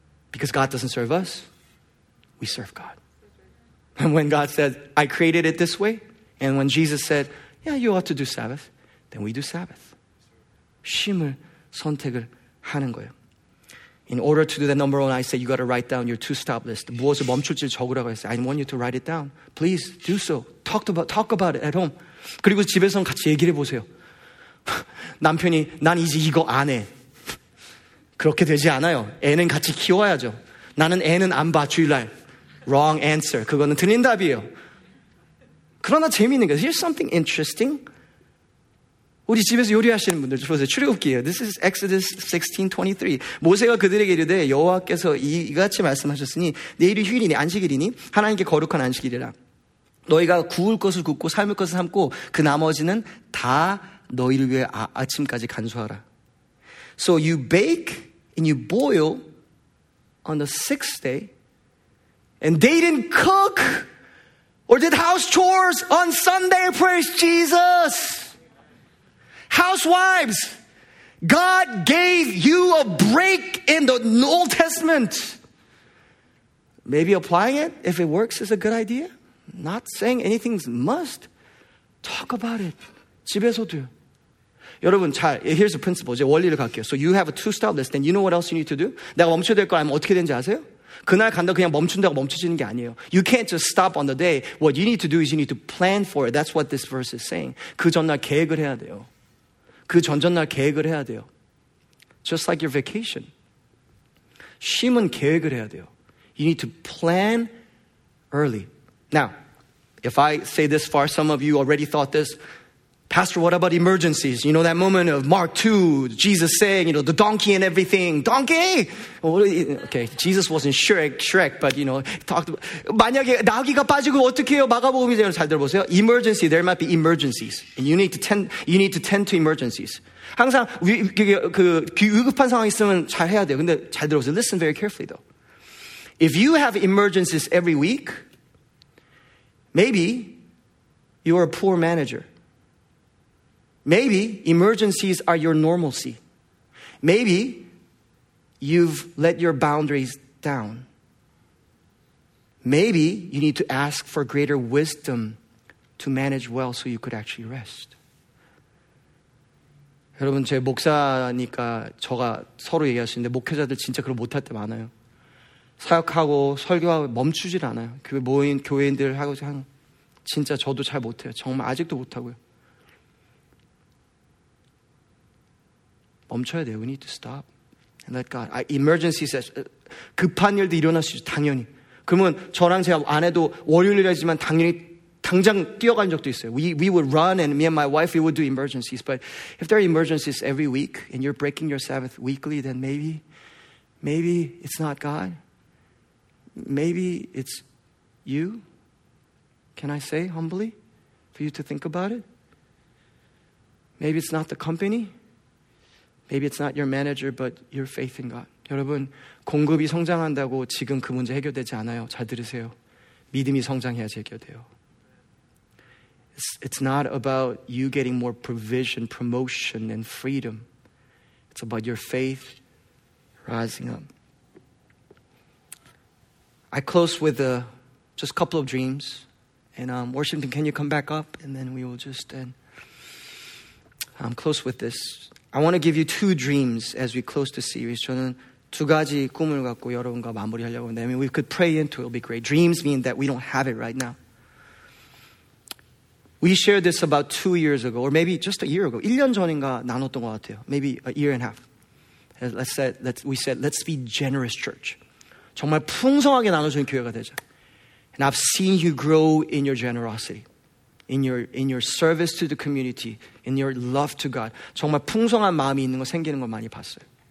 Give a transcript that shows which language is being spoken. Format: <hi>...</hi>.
<en>Because God doesn't serve us, we serve God. And when God said, I created it this way, and when Jesus said, yeah, you ought to do Sabbath, then we do Sabbath.</en> <ko>쉼을 선택을 하는 거예요.</ko> <en>In order to do that, number one, I say you got to write down your two-stop list.</en> <ko>무엇을 멈출지 적으라고 했어요.</ko> <en>I want you to write it down. Please do so. Talk about it at home.</en> <ko>그리고 집에서는 같이 얘기를 해보세요. 남편이 난 이제 이거 안 해. 그렇게 되지 않아요. 애는 같이 키워야죠. 나는 애는 안 봐, 주일날.</ko> <en>Wrong answer.</en> <ko>그거는 틀린 답이에요. 그러나 재미있는 거예요.</ko> <en>Here's something interesting.</en> <ko>우리 집에서 요리하시는 분들 보세요. 출애굽기예요.</ko> <en>This is Exodus 16:23.</en> <ko>모세가 그들에게 이르되 여호와께서 이같이 말씀하셨으니 내일이 휴일이니 안식일이니 하나님께 거룩한 안식일이라. 너희가 구울 것을 굽고 삶을 것을 삶고 그 나머지는 다 너희를 위해 아침까지 간수하라.</ko> <en>So you bake and you boil on the sixth day and they didn't cook Or did house chores on Sunday, praise Jesus? Housewives, God gave you a break in the Old Testament. Maybe applying it, if it works, is a good idea. Not saying anything's must. Talk about it.</en> <ko>집에서도. 여러분, 잘,</ko> <en>here's the principle.</en> <ko>이제 원리를 갈게요.</ko> <en>So you have a two-step list, then you know what else you need to do?</en> <ko>내가 멈춰야 될 거 아니면 어떻게 되는지 아세요? 그날 간다 그냥 멈춘다고 멈춰지는 게 아니에요.</ko> <en>You can't just stop on the day. What you need to do is you need to plan for it. That's what this verse is saying.</en> <ko>그 전날 계획을 해야 돼요. 그 전전날 계획을 해야 돼요.</ko> <en>Just like your vacation.</en> <ko>쉼은 계획을 해야 돼요.</ko> <en>You need to plan early. Now, if I say this far, some of you already thought this. Pastor, what about emergencies? You know that moment of Mark 2, Jesus saying, you know, the donkey and everything. Donkey! Okay, Jesus wasn't Shrek, but you know, talked about,</en> <ko>만약에 나귀가 빠지고 어떡해요? 마가복음이 잘 들어보세요.</ko> <en>Emergency, there might be emergencies. And you need to tend to emergencies.</en> <ko>항상 위급한 상황 있으면 잘 해야 돼요. 근데 잘 들어보세요.</ko> <en>Listen very carefully though. If you have emergencies every week, maybe you're a poor manager. Maybe emergencies are your normalcy. Maybe you've let your boundaries down. Maybe you need to ask for greater wisdom to manage well so you could actually rest.</en> <ko>여러분, 제 목사니까 저가 서로 얘기하시는데 목회자들 진짜 그걸 못할 때 많아요. 사역하고 설교하고 멈추질 않아요. 교회 모인 교회인들 하고 진짜 저도 잘 못해요. 정말 아직도 못하고요. 멈춰야 돼요.</ko> <en>We need to stop and let God. Emergencies,</en> <ko>급한 일도 일어날 수 있죠. 당연히. 그러면 저랑 제가 아내도 월요일이지만 당연히 당장 뛰어간 적도 있어요.</ko> <en>We would run and me and my wife, we would do emergencies. But if there are emergencies every week and you're breaking your Sabbath weekly, then maybe it's not God. Maybe it's you. Can I say humbly for you to think about it? Maybe it's not the company. Maybe it's not your manager, but your faith in God.</en> <ko>여러분, 공급이 성장한다고 지금 그 문제 해결되지 않아요. 잘 들으세요. 믿음이 성장해야지 해결돼요.</ko> <en>It's not about you getting more provision, promotion, and freedom. It's about your faith rising up. I close with just a couple of dreams. And Washington, can you come back up? And then we will just end. I'm close with this. I want to give you two dreams as we close the series.</en> <ko>저는 두 가지 꿈을 갖고 여러분과 마무리하려고 합니다.</ko> <en>I mean, we could pray into it. It'll be great. Dreams mean that we don't have it right now. We shared this about 2 years ago, or maybe just a year ago.</en> <ko>1년 전인가 나눴던 것 같아요.</ko> <en>Maybe a year and a half. We said, let's be generous church.</en> <ko>정말 풍성하게 나눠주는 교회가 되자.</ko> <en>And I've seen you grow in your generosity. In your service to the community, in your love to God.</en> <ko>정말 풍성한 마음이 있는 거 생기는 걸 많이 봤어요.</ko>